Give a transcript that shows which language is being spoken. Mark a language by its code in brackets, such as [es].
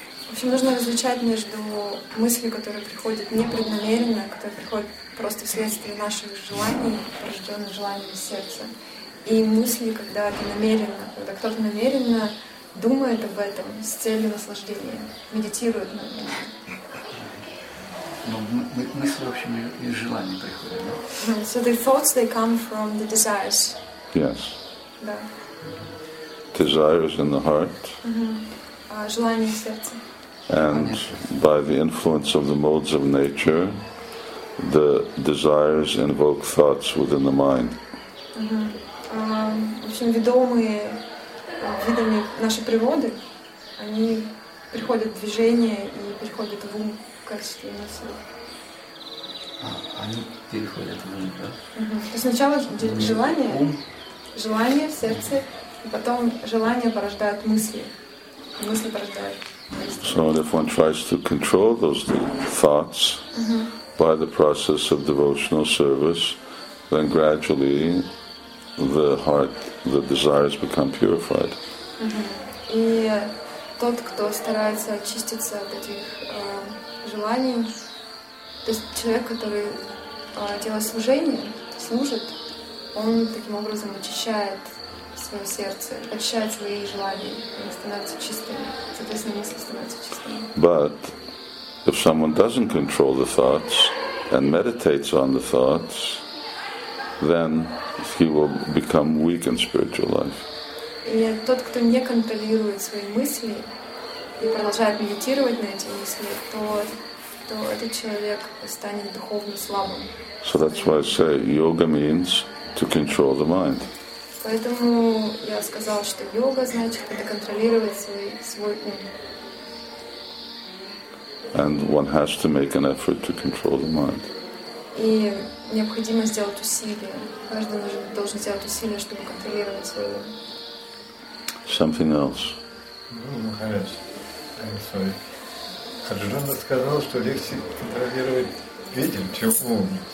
[ru] В общем, нужно различать между мыслью, которые приходят непреднамеренно, которые приходят просто вследствие наших желаний, порожденных желаниями сердца, и мысли, когда это намеренно, когда кто-то намеренно думает об этом с целью наслаждения, медитирует на это. Ну, мысли, в общем, из желаний приходят, да? [en] So the thoughts, they come from the desires. Yes. [ru] Да. [en] Desires in the heart. [ru] Желания в сердце. [en] And by the influence of the modes of nature, the desires invoke thoughts within the mind. [ru] В общем, ведомые видами нашей природы, они приходят в движение и приходят в ум в качестве мысли. Они переходят в ум, да? То есть сначала желание. Желание в сердце, и потом желание порождает мысли. Мысли порождают. [en] So if one tries to control those thoughts by the process of devotional service, then gradually the heart, the desires become purified. [ru] И тот, кто старается очиститься от этих желаний, то есть человек, который делает служение, служит, он таким образом очищает свое сердце, очищает свои желания, они становятся чистыми, соответственно, мысли становятся чистыми. [en] But if someone doesn't control the thoughts and meditates on the thoughts, then he will become weak in spiritual life. [ru] И тот, кто не контролирует свои мысли и продолжает медитировать на эти мысли, то этот человек станет духовно слабым. [en] So that's why I say yoga means to control the mind. [ru] Поэтому я сказала, что йога значит это контролировать свой ум. [en] And one has to make an effort to control the mind. [ru] И необходимо сделать усилия. Каждый должен сделать усилия, чтобы контролировать свой ум. [en] Something else. Махарадж, I'm sorry. [ru] Арджуна сказал, что легче контролировать видим, чем ум.